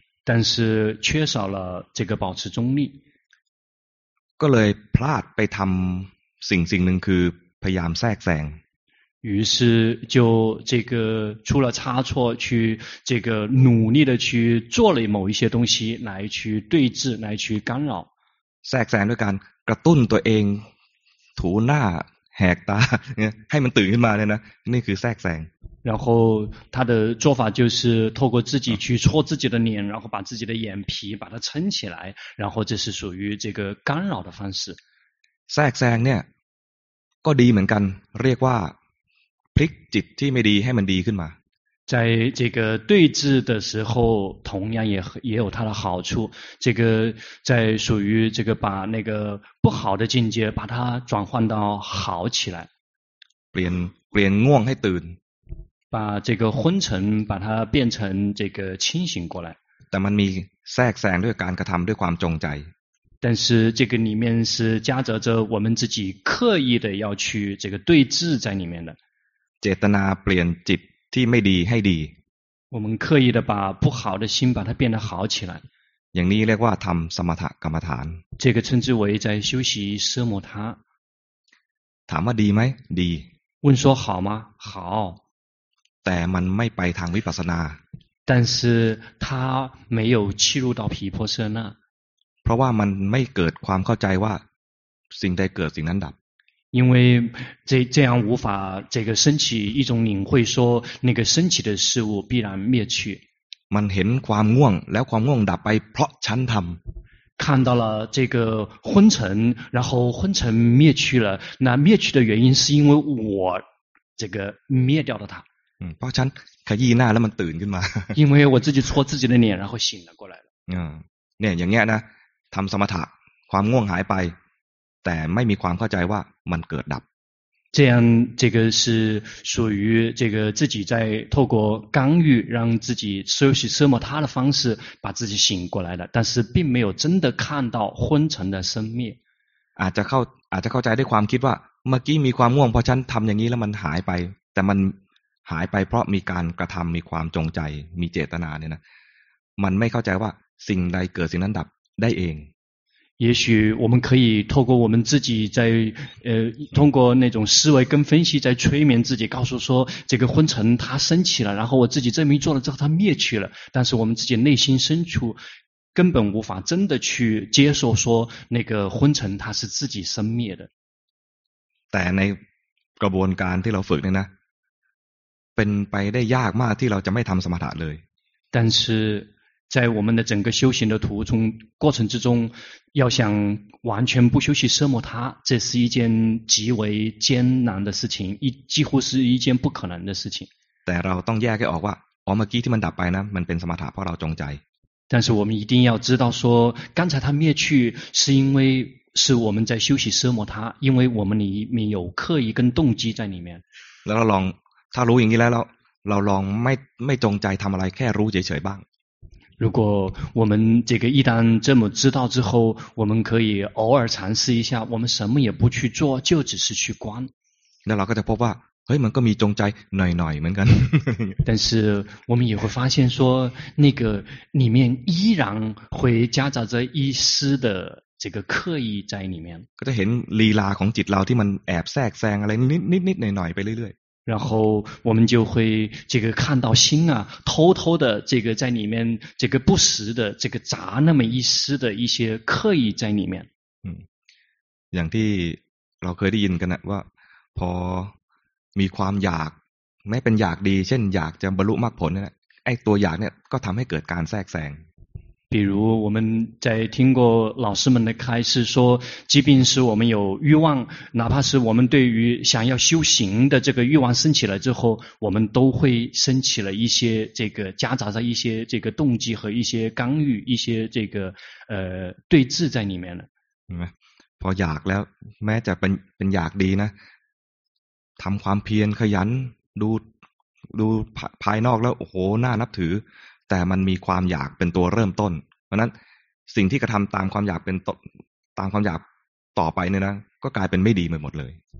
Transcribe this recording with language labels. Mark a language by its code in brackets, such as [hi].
[zh] 但是缺少了这个保持中立 [th] ก็เลยพลาดไปทำสิ่งหนึ่งคือพยายามแทรกแซง [zh] 于是就这个出了差错去这个努力的去做了某一些东西来去对峙来去干扰 [th] แทรกแซงด้วยการกระตุ้นตัวเองถูหน้าแหกตาให้มันตื่นขึ้นมาเลยนะนี่คือแทรกแซง [zh] 然后他的做法就是透过自己去戳自己的脸然后把自己的眼皮把它撑起来然后这是属于这个干扰的方式 [th] แทรกแซงเนี่ยก็ดีเหมือนกันเรียกว่าพลิกจิตที่ไม่ดีให้มันดีขึ้นมา [zh] 在这个对峙的时候同样也有它的好处这个在属于这个把那个不好的境界把它转换到好起来 [th] เปลี่ยนง่วงให้ตื่น [zh] 把这个昏沉把它变成这个清醒过来 [th] แต่มันมีแทรกแซงด้วยการกระทำด้วยความจงใจ [zh] 但是这个里面是夹杂着我们自己刻意的要去这个对峙在里面的 [th] เจตนาเปลี่ยนจิตที่ไม่ดีให้ดี [zh] 我们刻意的把不好的心把它变得好起来 [th] อย่างนี้เรียกว่าทำสมถกรรมฐาน [zh] 这个称之为在修习奢摩他 [th] ถามว่าดีไหมดี [zh] 问说好吗好 [th] แต่มันไม่ไปทางวิปัสสนา [zh] 但是它没有进入到毗婆舍那 [th] เพราะว่ามันไม่เกิดความเข้าใจว่าสิ่งใดเกิดสิ่งนั้นดับ [zh] 因为这样无法这个升起一种领会说那个升起的事物必然灭去 [th] มันเห็นความง่วงแล้วความง่วงดับไปเพราะฉันทำ [zh] 看到了这个昏沉然后昏沉灭去了那灭去的原因是因为我这个灭掉了它 [th] เพราะฉันขยี้หน้าแล้วมันตื่นขึ้นมา [zh] 因为我自己戳自己的脸然后醒了过来了 [th] เนี่ยอย่างเงี้ยนะทำสมถะความง่วงหายไปแต่ไม่มีความเข้าใจว่ามันเกิดดับ [zh] 这样这个是属于这个自己在透过干预让自己休息奢摩他的方式把自己醒过来的但是并没有真的看到昏沉的生灭 [th] อาจจะเข้าใจด้วยความคิดว่าเมื่อกี้มีความง่วงเพราะฉันทำอย่างนี้แล้วมันหายไปแต่มันหายไปเพราะมีการกระทำมีความจงใจมีเจตนาเนี่ยนะมันไม่เข้าใจว่าสิ่งใดเกิดสิ่งนั้นดับได้เอง [zh] 也许我们可以透过我们自己在通过那种思维跟分析在催眠自己告诉说这个昏沉它升起了然后我自己这么一做了之后它灭去了但是我们自己内心深处根本无法真的去接受说那个昏沉它是自己生灭的 [th] แต่ในกระบวนการที่เราฝึกเนี่ยนะเป็นไปได้ยากมากที่เราจะไม่ทำสมถะเลย [zh] 但是在我们的整个修行的途中过程之中要想完全不休息奢摩他这是一件极为艰难的事情几乎是一件不可能的事情 [th] แต่เราต้องแยกให้ออกว่าเมื่อกี้ที่มันดับไปนะมันเป็นสมถะเพราะเราจงใจ [zh] 但是我们一定要知道说刚才它灭去是因为是我们在休息奢摩他因为我们里面有刻意跟动机在里面 [th] แล้วเราลองถ้ารู้อย่างนี้แล้วเราลองไม่จงใจทำอะไรแค่รู้เฉยๆบ้าง [zh] 如果我们这个一旦这么知道之后我们可以偶尔尝试一下我们什么也不去做就只是去观那老哥就说话 [th] เฮ้ยมันก็มีจงใจหน่อยๆเหมือนกัน [zh] 但是我们也会发现说那个里面依然会夹杂着一丝的这个刻意在里面 [th] ก็จะเห็นลีลาของจิตเราที่มันแอบแทรกแซงอะไรนิดๆหน่อยๆไปเรื่อยๆ [zh] 然后我们就会这个看到心啊偷偷的这个在里面这个不时的这个砸那么一丝的一些刻意在里面 [th] อย่างที่เราเคยได้ยินกันนะว่าพอมีความอยากแม้เป็นอยากดีเช่นอยากจะบรรลุมรรคผลเนี่ยไอ้ตัวอยากเนี่ยก็ทำให้เกิดการแทรกแซง [zh] 比如我们在听过老师们的开示说即便是我们有欲望哪怕是我们对于想要修行的这个欲望升起了之后我们都会升起了一些这个夹杂着一些这个动机和一些干预一些这个对峙在里面了 [th] พออยากแล้วแม้จะเป็นอยากดีนะทำความเพียรขยันดูภายนอกแล้วโอ้โหน่านับถือแต่มันมีความอยากเป็นตัวเริ่มต้นเพราะนั้นสิ่งที่กระทำตามความอยากเป็นตามความอยากต่อไปเนี่ยนะก็กลายเป็นไม่ดีไปหมดเลย